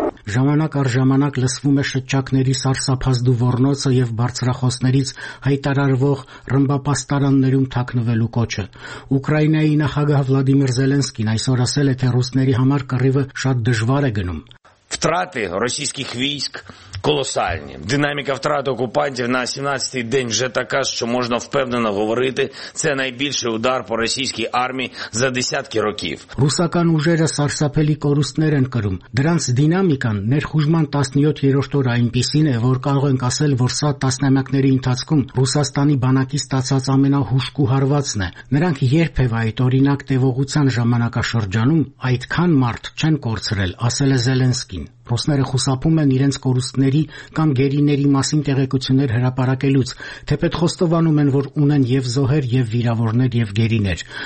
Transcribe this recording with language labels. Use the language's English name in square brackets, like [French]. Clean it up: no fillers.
[Armenian] Ժամանակ առ ժամանակ լսվում է շրջակների սարսափազդու ոռնոցը եւ բարձրախոսներից հայտարարվող ռմբապաստարաններում թաքնվելու կոչը։ Ուկրաինայի նախագահ Վլադիմիր Զելենսկին այսօր ասել է, թե ռուսների համար կռիվը շատ դժվար է գնում։ [Ukrainian] Втрати російських військ колосальні. Динаміка втрат окупантів на 17-й день вже така, що можна впевнено говорити, це найбільший удар по російській армії за десятки років. [Armenian] Ռուսական ուժերը սարսափելի կորուստներ են կրում. Դրանց դինամիկան ներխուժման 17-րդ օրը այնպիսին է, որ կարող ենք ասել, որ սա տասնամյակների ընթացքում Ռուսաստանի բանակի ստացած ամենահուժկու հարվածն է։ Նրանք երբևէ այդ օրինակ տևողության ժամանակաշրջանում այդքան մարդ չեն կորցրել, ասել է Զելենսկին։ Ռուսները խուսափում են իրենց կորուստների կամ գերիների մասին տեղեկություններ հրապարակելուց, թեպետ խոստովանում են, որ ունեն և զոհեր, և վիրավորներ, և գերիներ։